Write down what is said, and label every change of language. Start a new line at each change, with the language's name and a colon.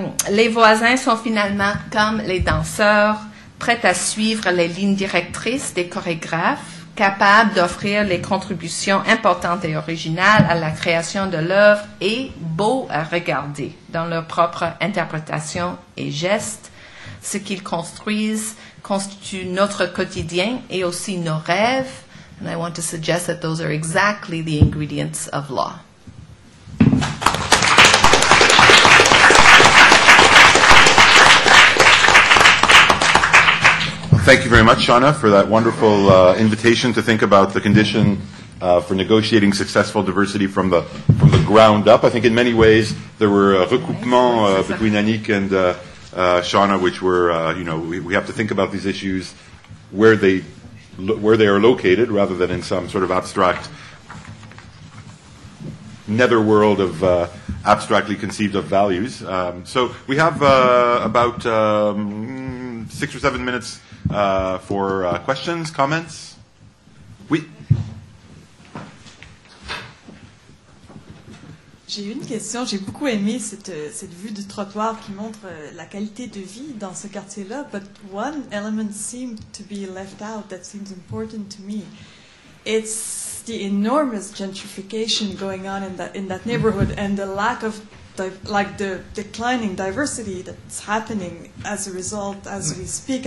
French: Les voisins sont finalement comme les danseurs, prêts à suivre les lignes directrices des chorégraphes, capables d'offrir les contributions importantes et originales à la création de l'œuvre et beaux à regarder dans leur propre interprétation et gestes. Ce qu'ils construisent constitue notre quotidien et aussi nos rêves.
English: And I want to suggest that those are exactly the ingredients of law. Well, thank you very much, Shauna, for that wonderful invitation to think about the condition for negotiating successful diversity from the ground up. I think in many ways there were recoupements between Annick and Shauna, which were, we have to think about these issues where they are located, rather than in some sort of abstract netherworld of abstractly conceived of values. So we have about 6 or 7 minutes for questions, comments.
French: Oui. J'ai une question. J'ai beaucoup aimé cette vue de trottoir qui montre la qualité de vie dans ce quartier-là.
English: But one element seemed to be left out that seems important to me. It's the enormous gentrification going on in that neighborhood and the lack of the declining diversity that's happening as a result as we speak.